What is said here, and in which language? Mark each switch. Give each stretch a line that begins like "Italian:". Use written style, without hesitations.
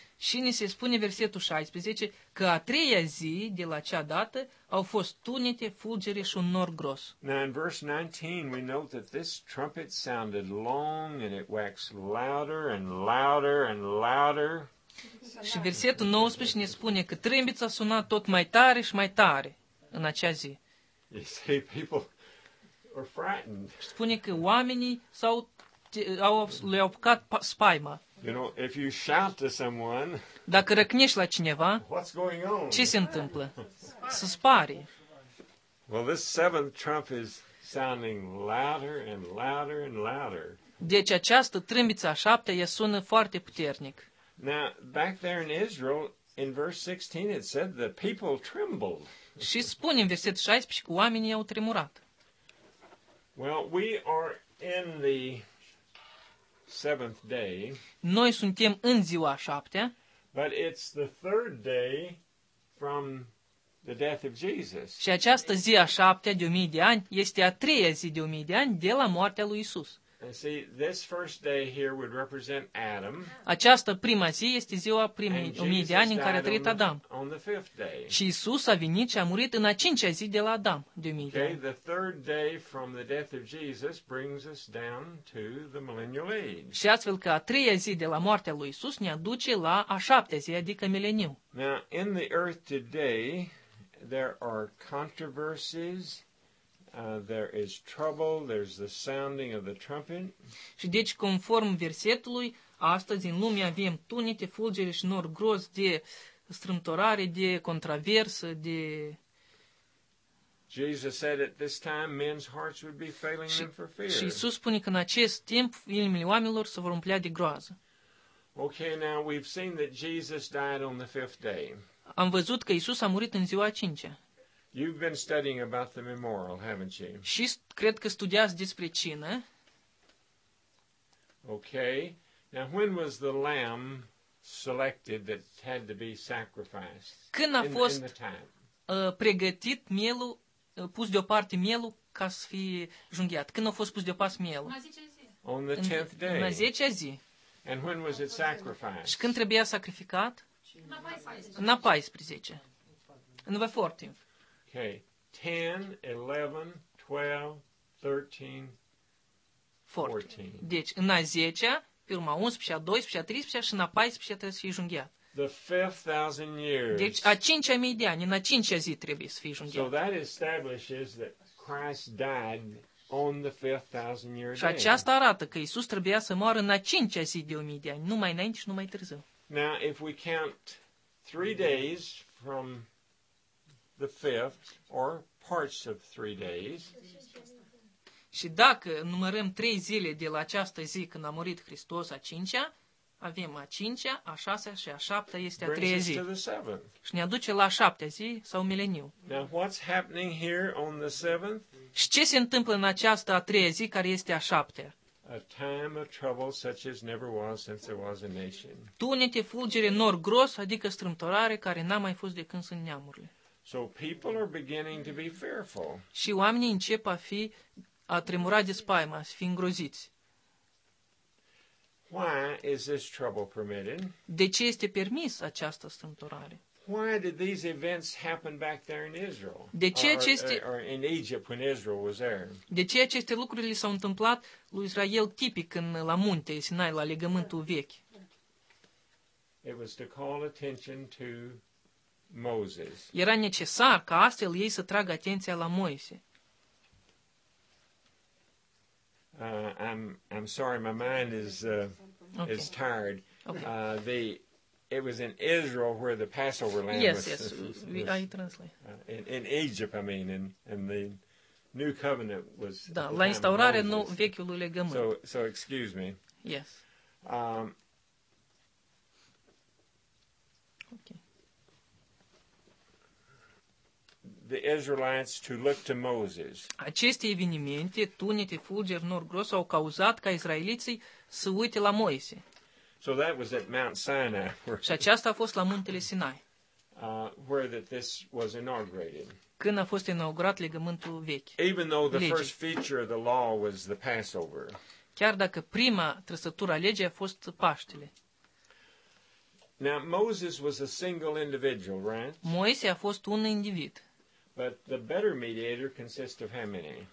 Romanian: Și ne se spune versetul 16 că a treia zi de la acea dată au fost tunete, fulgere și un nor gros.
English: Now in verse 19 we note that this trumpet sounded long and it waxed louder and louder and louder.
Romanian: Și versetul 19 ne spune că trâmbița suna tot mai tare și mai tare în acea zi.
English: You see, people are frightened.
Romanian: Spune că oamenii s-au le-au apucat spaima.
English: You know, if you shout to someone,
Romanian: dacă răcnești la cineva,
English: what's going on?
Romanian: Ce se întâmplă? Să spari.
English: Well, this seventh trump is sounding louder and louder and louder.
Romanian: Deci această trâmbiță a șaptea ea sună foarte puternic.
English: Now, back there in Israel, in verse 16, it said the people trembled.
Romanian: Și spune în versetul 16 că oamenii au tremurat.
English: Well, we are in the seventh day.
Romanian: Noi suntem în ziua a șaptea.
English: But it's the third day from the death of Jesus.
Romanian: Și această zi a șaptea de 1000 de ani este a treia zi de 1000 de ani de la moartea lui Isus.
English: And see, this first day here would represent Adam.
Romanian: Această prima zi este ziua primei 1000 de ani în care a trăit Adam.
English: On the fifth day.
Romanian: Și Isus a venit și a murit în a cincea zi de la Adam, de 1000 de ani.
English: Okay, the third day from the death of Jesus brings us down to the millennial age.
Romanian: Și astfel că a treia zi de la moartea lui Isus ne aduce la a șaptea zi, adică mileniu.
English: Now, in the earth today, there are controversies. There is trouble, there's the sounding of the trumpet.
Romanian: Și deci, conform versetului, astăzi în lume avem tunete, fulgere și nor gros de strâmtorare, de controversă, de...
English: Jesus said at this time men's hearts would be failing them for fear.
Romanian: Și Iisus spune că în acest timp inimile oamenilor se vor umplea de groază.
English: Okay, now we've seen that Jesus died on the fifth day.
Romanian: Am văzut că Iisus a murit în ziua a cincea.
English: You've been studying about the memorial, haven't you?
Romanian: Și cred că studiați despre cină.
English: Okay. Now, when was the lamb selected that had to be sacrificed?
Romanian: Când a fost pregătit mielul pus deoparte mielul ca să fie junghiat. Când a fost pus deoparte mielul?
English: On the 10th day.
Romanian: În a 10-a zi.
English: And when was it sacrificed?
Romanian: Și când trebuia sacrificat? La 14. În 14.
English: Okay. 10, 11, 12, 13, 14.
Romanian: Deci, în a 10-a, pe urma 11-a, 12-a, 13-a și în a 14-a trebuie să fie junghiat.
English: The 5,000 years.
Romanian: Deci, a 5,000 de ani, în a 5-a zi trebuie să fie junghiat.
English: So that establishes that Christ died on the 5,000 year day.
Romanian: Și aceasta arată că Iisus trebuia să moară în a 5-a zi de 1,000 de ani, nu mai înainte și nu mai târziu.
English: Now, if we count 3 days from the 5th, or parts of 3 days,
Romanian: și dacă numărăm 3 zile de la această zi când a murit Hristos, a 5-a, avem a 5-a, a 6-a și a 7-a este a 3-a zi. Și ne aduce la 7-a zi sau mileniu.
English: Now, what's happening here on the 7th?
Romanian: Și ce se întâmplă în această a 3-a zi care este a 7-a?
English: A time of trouble such as never was since there was a nation.
Romanian: Tunete, fulgere, nor gros, adică strâmtorare care n-a mai fost de când sunt neamurile.
English: So people are beginning to be fearful.
Romanian: Și oamenii încep a fi a tremura de spaimă, a fi îngroziți.
English: Why is this trouble permitted?
Romanian: De ce este permis această strâmtorare?
English: Why did these events happen back there in Israel?
Romanian: De ce aceste
English: in Egypt when Israel was there?
Romanian: De ce aceste lucruri s-au întâmplat lui Israel tipic în la munte Sinai, la legământul vechi?
English: It was to call attention to Moses.
Romanian: Era necesar ca astfel ei să tragă atenția la Moise.
English: I'm sorry, my mind is tired. Okay. It was in Israel where the Passover lamb was. I translate. In Egypt, I mean, and the new covenant was.
Romanian: Da, la instaurarea nou vechiului legământ.
English: So excuse me. Yes. The Israelites to look to Moses.
Romanian: Aceste evenimente, tunete, fulgeri, nor gros, au cauzat ca israeliții să uite la Moise.
English: So that was at Mount Sinai.
Romanian: Și aceasta a fost la muntele Sinai.
English: Where that this was inaugurated.
Romanian: Când a fost inaugurat legământul vechi.
English: Even though the first feature of the law was the Passover.
Romanian: Chiar dacă prima trăsătură a legii a fost Paștele.
English: Now Moses was a single individual, right?
Romanian: Moise a fost un individ.
English: But the better mediator consists of how many?